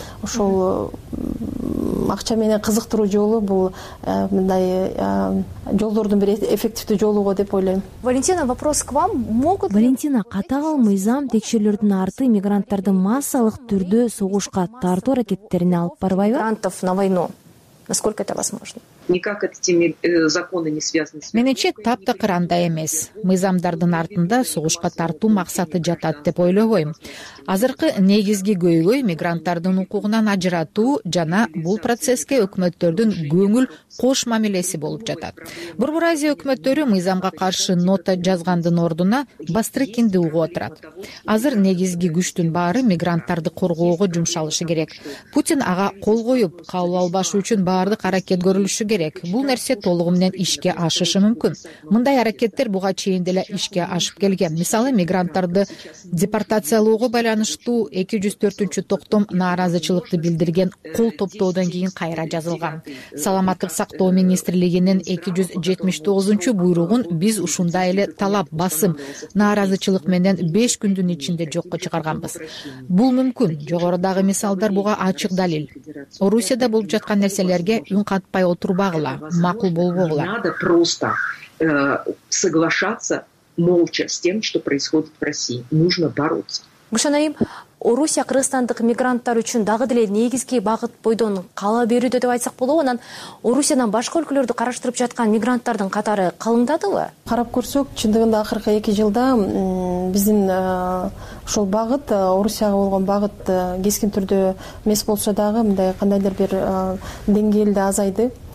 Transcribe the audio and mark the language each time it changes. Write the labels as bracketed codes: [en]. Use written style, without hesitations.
[ky] Ошол акча менен кызыктыруу жолу бул мындай жолдордун бир эффективдүү жолуго деп ойлойм. [ru] Валентина, вопрос к вам. Могут ли [ky] Валентина, катаал мыйзам текшерүүлөрдүн арты мигранттарды массалык түрдө согушка тартуу аракеттерине алып барбайбы? [ru] Мигрантов на войну. Насколько это возможно? Никак этими законы не связаны с. [ky] Менече таптакыр андай эмес. Мыйзамдардын артында согушка тартуу максаты жатат деп ойлобойм. Азыркы негизги көйгөй мигранттардын укугунан ажыратуу жана бул процесске өкмөттөрдүн көңүл кош мамилеси болуп жатат. Борбор Азия өкмөттөрү мыйзамга каршы нота жазгандын ордуна Бастрыкинди угуп отурат. Азыр негизги күчтүн баары мигранттарды коргоого жумшалышы керек. Путин ага кол коюп, кабыл албашы үчүн баардык аракет көрүлүшү керек. Бул нерсе толугу менен ишке ашышы мүмкүн. Мындай аракеттер буга чейин деле ишке ашып келген. Мисалы, мигранттарды депортациялоого байланыштуу 204-чү токтом нааразычылыкты билдирген кол топтоодон кийин кайра жазылган. Саламаттык сактоо министрлигинин 279-чү буйругун биз ушундай эле талап, басым, нааразычылык менен 5 күндүн ичинде жокко чыгарганбыз. Бул мүмкүн. Жогорудагы мисалдар буга ачык далил. Орусияда болуп жаткан нерселерге үн катпай отурбагыла, макул болбогула. [ru] Надо просто соглашаться молча с тем, что происходит в России. Нужно бороться. [ky] Гүшанайым, Орусия кыргызстандык мигранттар үчүн дагы деле негизги багыт бойдон кала берүүдө деп айтсак болобу? Анан Орусиядан башка өлкөлөрдү караштырып жаткан мигранттардын катары калыңдадыбы? Карап көрсөк, чындыгында акыркы 2 жылда биздин ушул багыт, Орусияга болгон багыт кескин түрдө эмес болсо дагы мындай кандайдыр бир деңгээлде азайды.